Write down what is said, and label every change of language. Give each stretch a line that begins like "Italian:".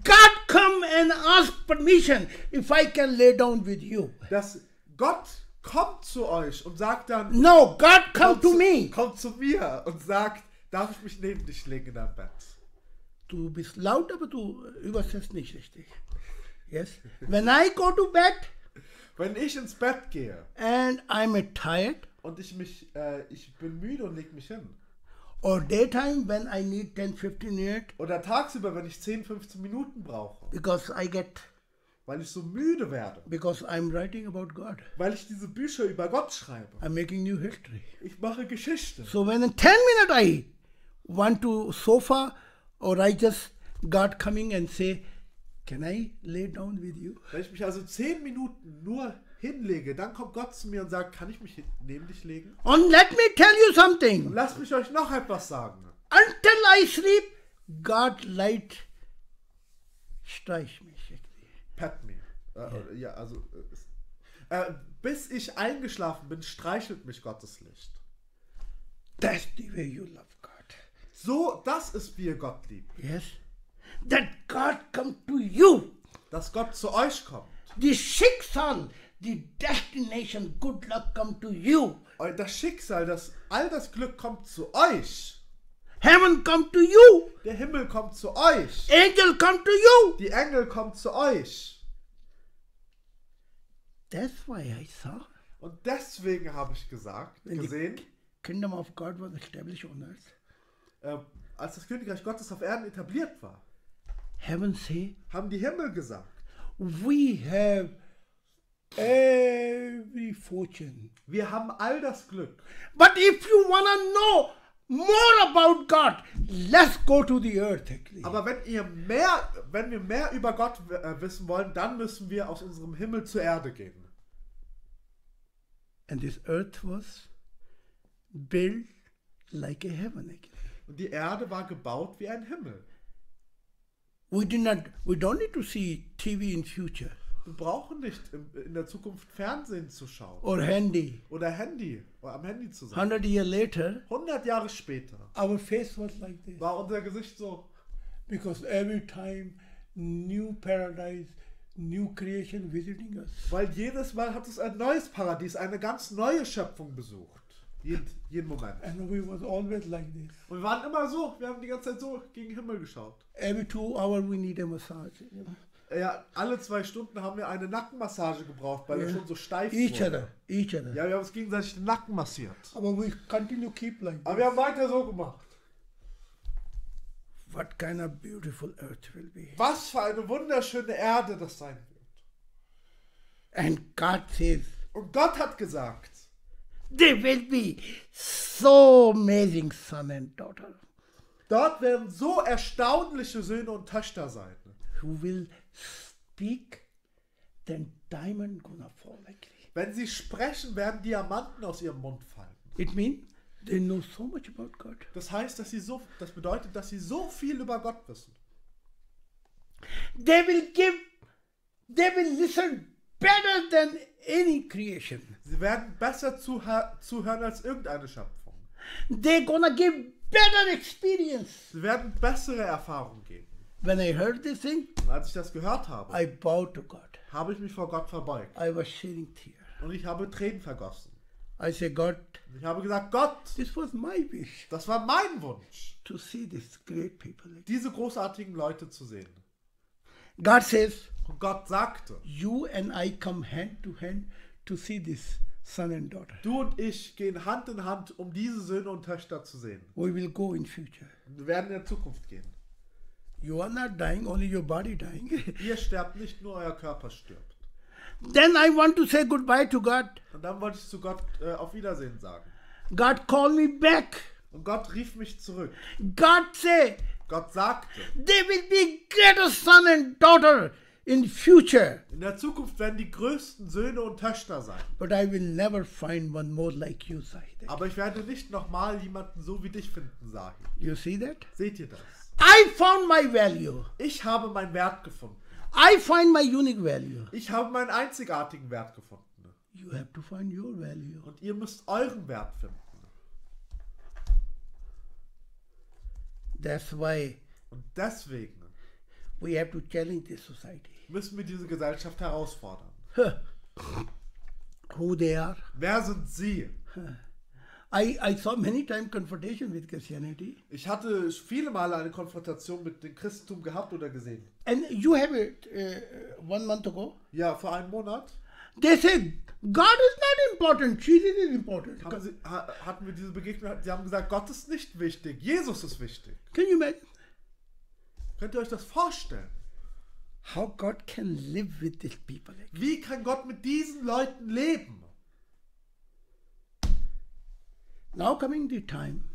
English: God come and ask permission if I can lay down with you.
German: Dass Gott kommt zu euch und sagt dann.
English: No, God come to me.
German: Kommt zu mir und sagt, darf ich mich neben dich legen in dein Bett? Du bist laut, aber du übersetzt nicht richtig.
English: Yes. When I go to bed.
German: Wenn ich ins Bett gehe
English: and I'm tired,
German: und ich bin müde und leg mich hin.
English: Or daytime when I need 10-15 minutes.
German: Oder tagsüber, wenn ich 10-15 Minuten brauche.
English: Because I get.
German: Weil ich so müde werde.
English: Because I'm writing about God.
German: Weil ich diese Bücher über Gott schreibe.
English: I'm making new history.
German: Ich mache Geschichte.
English: So when in 10 minutes I want to sofa or I just God coming and say. Can I lay down with you?
German: Wenn ich mich also 10 Minuten nur hinlege, dann kommt Gott zu mir und sagt, kann ich mich neben dich legen?
English: And let me tell you something.
German: Lass mich euch noch etwas sagen.
English: Until I sleep, God light
German: streich mich.
English: Pat me. Yeah.
German: Ja, also Bis ich eingeschlafen bin, streichelt mich Gottes Licht.
English: That's the way you love God.
German: So, das ist, wie ihr Gott liebt.
English: Yes. That God come to you.
German: Dass Gott zu euch kommt.
English: The Schicksal, the destination, good luck come to you.
German: Das Schicksal, das, all das Glück kommt zu euch.
English: Heaven come to you.
German: Der Himmel kommt zu euch.
English: Angel come to you.
German: Die Engel kommen zu euch.
English: That's why I saw.
German: Und deswegen habe ich gesagt,
English: when
German: gesehen.
English: Kingdom of God was established on earth.
German: Als das Königreich Gottes auf Erden etabliert war.
English: Heaven say.
German: Haben die Himmel gesagt.
English: We have every fortune.
German: Wir haben all das Glück.
English: But if you wanna know more about God, let's go to the earth. Actually.
German: Aber wenn ihr mehr, wenn wir mehr über Gott wissen wollen, dann müssen wir aus unserem Himmel zur Erde gehen.
English: And this earth was built like a heaven. Actually.
German: Und die Erde war gebaut wie ein Himmel.
English: We don't need to see TV in future.
German: Wir brauchen nicht in der Zukunft Fernsehen zu schauen.
English: Or Handy.
German: Oder Handy. Oder am Handy zu sein.
English: 100 years later.
German: 100 Jahre später.
English: Our face was like this.
German: War unser Gesicht so.
English: Because every time new paradise, new creation visiting us.
German: Weil jedes Mal hat es ein neues Paradies, eine ganz neue Schöpfung besucht. Jeden Moment.
English: And we was always like this.
German: Und wir waren immer so. Wir haben die ganze Zeit so gegen den Himmel geschaut.
English: Every 2 hours we need a massage.
German: Ja, alle 2 Stunden haben wir eine Nackenmassage gebraucht, weil wir schon so steif waren.
English: Each other.
German: Ja, wir haben uns gegenseitig den Nacken massiert. Aber
English: we continue keep like this.
German: Aber wir haben weiter so gemacht.
English: What kind of beautiful earth will be.
German: Was für eine wunderschöne Erde das sein wird.
English: And God says.
German: Und Gott hat gesagt.
English: There will be so amazing son and daughter.
German: Dort werden so erstaunliche Söhne und Töchter sein.
English: Who will speak, then diamond gonna fall like this.
German: Wenn sie sprechen, werden Diamanten aus ihrem Mund fallen.
English: It means they know so much about God.
German: Das heißt, dass sie so, das bedeutet, dass sie so viel über Gott wissen.
English: They will listen better than any creation.
German: Sie werden besser zuhören als irgendeine Schöpfung.
English: They gonna give better experience.
German: Sie werden bessere Erfahrungen geben.
English: When I heard this thing,
German: als ich das gehört habe,
English: I bowed to God.
German: Habe ich mich vor Gott verbeugt.
English: I was shedding tears.
German: Und ich habe Tränen vergossen.
English: I said, God,
German: ich habe gesagt, Gott,
English: this was my wish,
German: das war mein Wunsch,
English: to see this great people,
German: diese großartigen Leute zu sehen.
English: God says,
German: und Gott sagte,
English: you and I come hand to hand to see this son and daughter.
German: Du und ich gehen Hand in Hand, um diese Söhne und Töchter zu sehen.
English: We will go in future.
German: Wir werden in der Zukunft gehen.
English: You are not dying, only your body dying.
German: Ihr sterbt nicht, nur euer Körper stirbt.
English: Then I want to say goodbye to God.
German: Und dann wollte ich zu Gott auf Wiedersehen sagen.
English: God call me back.
German: Und Gott rief mich zurück.
English: God say.
German: Gott sagte.
English: There will be greater son and daughter in future.
German: In der Zukunft werden die größten Söhne und Töchter sein.
English: But I will never find one more like you, Zahid.
German: Aber ich werde nicht nochmal jemanden so wie dich finden, Zahid.
English: You see that?
German: Seht ihr das?
English: I found my value.
German: Ich habe meinen Wert gefunden.
English: I find my unique value.
German: Ich habe meinen einzigartigen Wert gefunden.
English: You have to find your value.
German: Und ihr müsst euren Wert finden.
English: That's why.
German: Und deswegen.
English: We have to challenge this society.
German: Müssen wir diese Gesellschaft herausfordern.
English: Who they are?
German: Wer sind sie?
English: I saw many times confrontation with Christianity.
German: Ich hatte viele Male eine Konfrontation mit dem Christentum gehabt oder gesehen.
English: And you have it 1 month ago?
German: Ja, vor einem Monat.
English: They said God is not important, Jesus is important.
German: Hatten wir diese Begegnung? Sie haben gesagt, Gott ist nicht wichtig, Jesus ist wichtig.
English: Can you imagine?
German: Könnt ihr euch das vorstellen?
English: How God can live with these people? Like?
German: Wie kann Gott mit diesen Leuten leben?
English: Now coming the time.